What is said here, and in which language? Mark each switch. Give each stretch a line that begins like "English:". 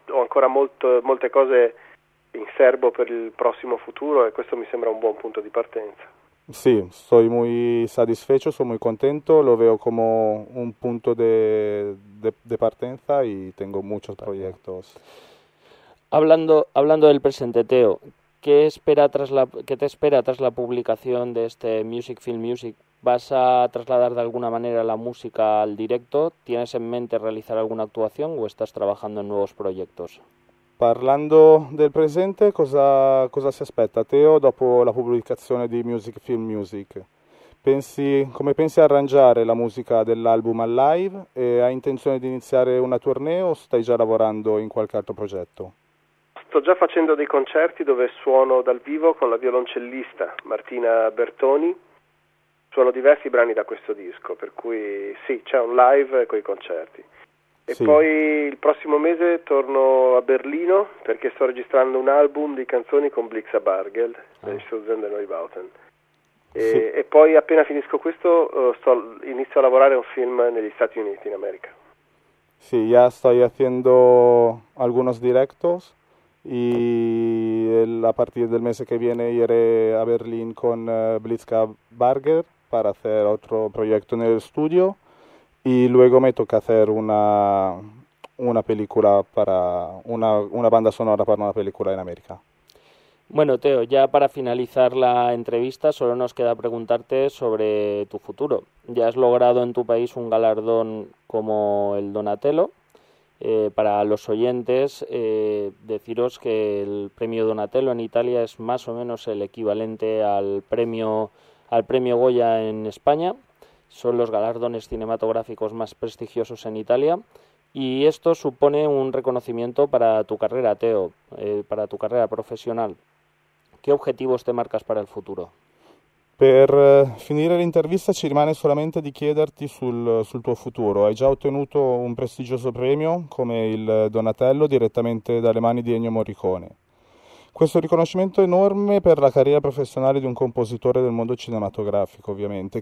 Italian: Ho ancora molte cose in serbo per il prossimo futuro e questo mi sembra un buon punto di partenza. Sì, sono molto
Spanish: satisfecho,
Italian: sono molto contento, lo vedo come un punto di partenza e tengo molti progetti.
Spanish: Hablando del presente, Teo, ¿qué te espera tras la publicación de este Music Film Music? ¿Vas a trasladar de alguna manera la música al directo? ¿Tienes en mente realizar alguna actuación o estás trabajando en nuevos proyectos?
Italian: Parlando del presente, cosa si aspetta, Teo, dopo la pubblicazione di Music Film Music? Come pensi arrangiare la musica dell'album al live? E hai intenzione di iniziare una tournée o stai già lavorando in qualche altro progetto? Sto già facendo dei concerti dove suono dal vivo con la violoncellista Martina Bertoni. Suono diversi brani da questo disco, per cui sì, c'è un live con i concerti. E sì. Poi il prossimo mese torno a Berlino perché sto registrando un album di canzoni con Blixa Bargel, Susan de Neubauten. E poi appena finisco questo inizio a lavorare a un film negli Stati Uniti, in America.
Spanish: Sì, ya estoy haciendo algunos directos. Y a partir del mes que viene iré a Berlín con Blitzka Barger para hacer otro proyecto en el estudio y luego me toca hacer una película para una banda sonora para una película en América. Bueno, Teo, ya para finalizar la entrevista solo nos queda preguntarte sobre tu futuro. Ya has logrado en tu país un galardón como el Donatello. Para los oyentes, deciros que el premio Donatello en Italia es más o menos el equivalente al premio Goya en España. Son los galardones cinematográficos más prestigiosos en Italia. Y esto supone un reconocimiento para tu carrera, Teo, para tu carrera profesional. ¿Qué objetivos te marcas para el futuro?
Italian: Per finire l'intervista ci rimane solamente di chiederti sul tuo futuro. Hai già ottenuto un prestigioso premio come il Donatello direttamente dalle mani di Ennio Morricone. Questo riconoscimento enorme per la carriera professionale di un compositore del mondo cinematografico, ovviamente.